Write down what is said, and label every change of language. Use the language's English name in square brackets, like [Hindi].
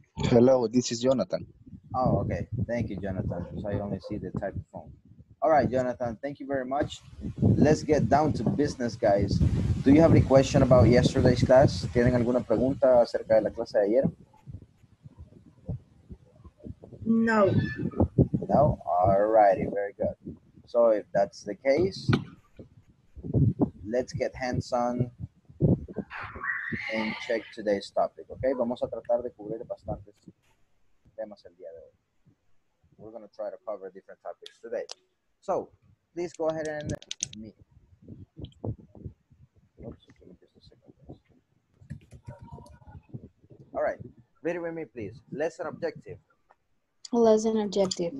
[English] Hello, this is Jonathan. Oh, okay. Thank you, Jonathan. So I only see the type of phone. All right, Jonathan, thank you very much. Let's get down to business, guys. Do you have any question about yesterday's class? [Spanish] ¿Tienen alguna pregunta acerca de la clase de ayer? No. [English] No? All righty, very good. So if that's the case, let's get hands-on and check today's topic, okay? [Spanish] Vamos a tratar de cubrir bastantes temas el día de hoy. [English] We're gonna try to cover different topics today. So, please go ahead and meet. Oops, give me just a second. All right, read it with me, please. Lesson objective. Lesson objective.